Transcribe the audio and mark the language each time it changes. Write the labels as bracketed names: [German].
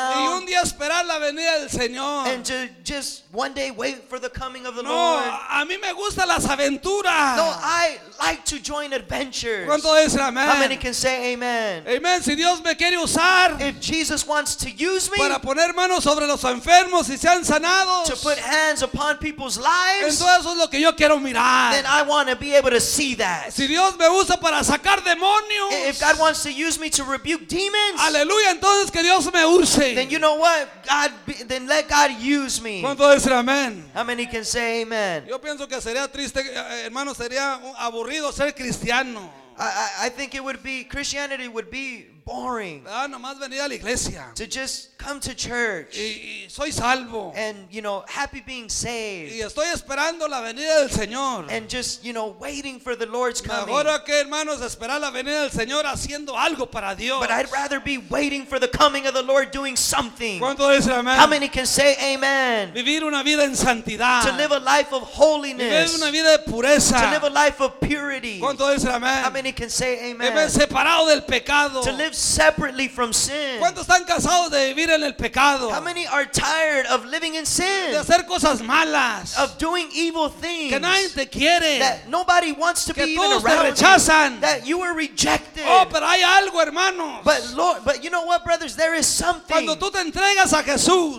[Spanish] Y un día esperar la venida del Señor. [English] And to just one day wait for the coming of the no, Lord. [Spanish] A mí me gustan las aventuras. [English] No, I like to join adventures. [Spanish] ¿Cuánto dicen amén? [English] How many can say amen? [Spanish] Amen. Si Dios me quiere usar, [English] if Jesus wants to use me, [Spanish] para poner manos sobre los enfermos y sean sanados, [English] to put hands upon people's lives, [Spanish] entonces eso es lo que yo quiero mirar. [English] Then I want to be able to see that. [Spanish] Si Dios me usa para sacar demonios, [English] if God wants to use me to rebuke demons, [Spanish] aleluya, entonces que Dios me use. [English] Then you know what? God, then let God use me. [Spanish] ¿Cuánto dicen amén? [English] How many can say amen? [Spanish] Yo pienso que sería triste, hermano, sería aburrido ser cristiano. [English] I think it would be, Christianity would be boring. [Spanish] Ah, nomás venir a la iglesia. [English] To just come to church. [Spanish] Y soy salvo. [English] And, you know, happy being saved. [Spanish] Y estoy esperando la venida del Señor. [English] And just, you know, waiting for the Lord's coming. [Spanish] Mejor que, hermanos, esperar la venida del Señor haciendo algo para Dios. [English] But I'd rather be waiting for the coming of the Lord doing something. [Spanish] ¿Cuánto dice amén? [English] How many can say amen? [Spanish] Vivir una vida en santidad. [English] To live a life of holiness. [Spanish] Vivir una vida de pureza. [English] To live a life of purity. [Spanish] ¿Cuánto dice amén? [English] How many can say amen? [Spanish] Separado del pecado. [English] To live separately from sin. [Spanish] ¿Cuántos están cansados de vivir en el pecado? [English] How many are tired of living in sin? [Spanish] De hacer cosas malas. [English] Of doing evil things. [Spanish] Que nadie te quiere. [English] That nobody wants to [Spanish] que [English] be even around. [Spanish] Que todos te rechazan. [English] That you were rejected. [Spanish] Oh, pero hay algo, hermanos. [English] But Lord, but you know what, brothers? There is something. [Spanish] Cuando tú te entregas a Jesús.